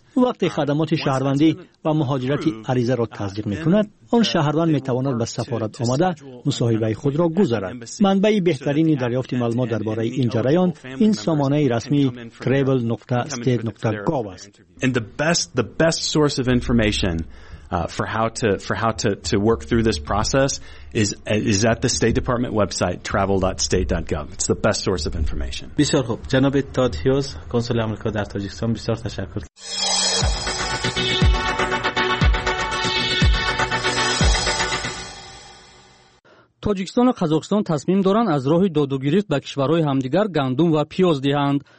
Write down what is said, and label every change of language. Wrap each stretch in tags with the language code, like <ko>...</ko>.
<fa>وقتی خدمات شهروندی و مهاجرت عریضه را تصدیق می‌کند، آن شهروند می‌تواند به سفارت آمده مصاحبه خود را گذارد. منبع بهترین دریافت معلومات درباره این جریان این سامانه رسمی travel.state.gov است.</fa> <en>The best source of information for how to work through this process is at the State Department website travel.state.gov. It's the best source of information.</en> <fa>بسیار خوب. جناب تاد هیوز، کنسول آمریکا در تاجیکستان، بسیار تشکر. تاجیکستان و قزاقستان تصمیم دارند از راه داد و گرفت به کشورهای همدیگر گندم و پیاز دهند.</fa>